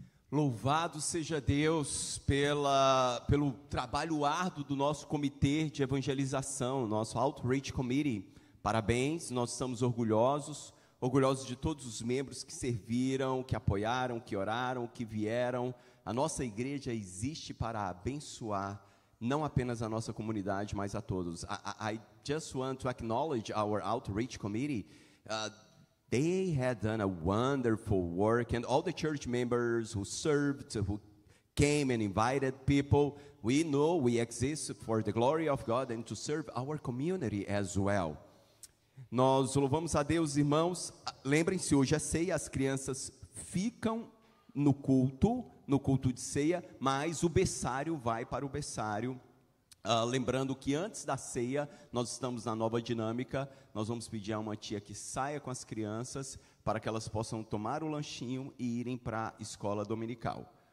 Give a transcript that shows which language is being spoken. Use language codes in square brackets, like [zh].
[pt] Louvado seja Deus pelo trabalho árduo do nosso comitê de evangelização, nosso Outreach Committee. Parabéns, nós estamos orgulhosos de todos os membros que serviram, que apoiaram, que oraram, que vieram. A nossa igreja existe para abençoar não apenas a nossa comunidade, mas a todos. [en] I just want to acknowledge our Outreach Committee. They had done a wonderful work, and all the church members who served, who came and invited people, we know we exist for the glory of God and to serve our community as well. [pt] Nós louvamos a Deus, irmãos. Lembrem-se, hoje é ceia, as crianças ficam no culto de ceia, mas o berçário vai para o berçário. Lembrando que antes da ceia, nós estamos na nova dinâmica, nós vamos pedir a uma tia que saia com as crianças para que elas possam tomar o lanchinho e irem para a escola dominical.